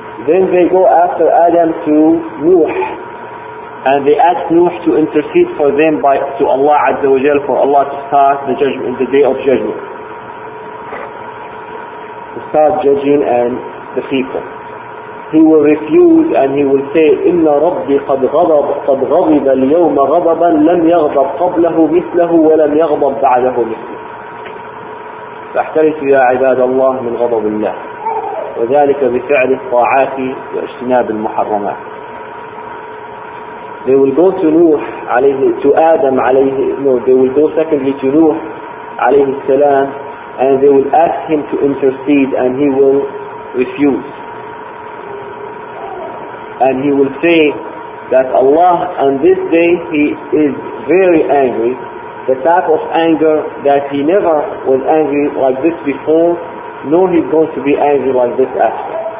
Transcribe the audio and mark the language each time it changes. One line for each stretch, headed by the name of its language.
English: Then they go after Adam to Nuh, and they ask Nuh to intercede for them to Allah Azza wa Jal, for Allah to start the judgment, the Day of Judgment, to start judging and the people. He will refuse and he will say,
Arabic: إِنَّ رَبِّي قَدْ غَضِبَ الْيَوْمَ غَضَبًا لَمْ يَغْضَبْ قَبْلَهُ مِثْلَهُ وَلَمْ يَغْضَبْ بَعْدَهُ مِثْلَهُ. فاحترسوا يا عباد الله من غضب الله, وذلك بفعل الطاعات واجتناب المحرمات.
English: They will go to Nuh alayhi, to Adam alayhi, no, they will go secondly to Nuh alayhi salam, and they will ask him to intercede, and he will refuse. And he will say that Allah on this day, he is very angry, the type of anger that he never was angry like this before, nor he's going to be angry like this after.